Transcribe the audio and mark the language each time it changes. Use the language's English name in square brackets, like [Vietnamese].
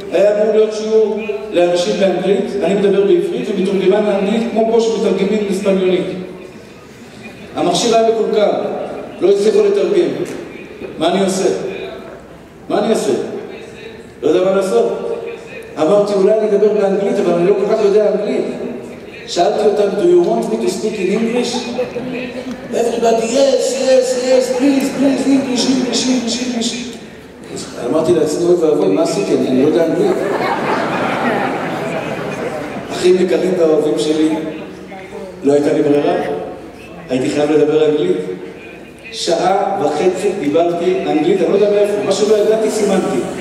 [Hebrew] היה אמור להיות שיעור לאנשים באנגלית, אני מדבר בעברית, ומתורגמן לאנגלית כמו פה שמתרגמים לספניונית. המכשיר היה מקולקל, לא הצליחו לתרגם. מה אני עושה? לא יודע מה לעשות. אמרתי, אולי אני אדבר באנגלית, אבל אני לא כל כך יודע אנגלית. שאלתי אותם, [English] do you want me to speak in English? Everybody, yes, yes, yes, please, please, English, English, English, English. [Hebrew] אמרתי לעצמי, אוי ואבוי, מה עשיתי? אני לא יודע אנגלית. אחים יקרים ואהובים שלי, לא הייתה לי ברירה, הייתי חייב לדבר אנגלית. שעה וחצי דיברתי אנגלית, אני לא יודע מאיפה, משהו לא ידעתי, סימנתי.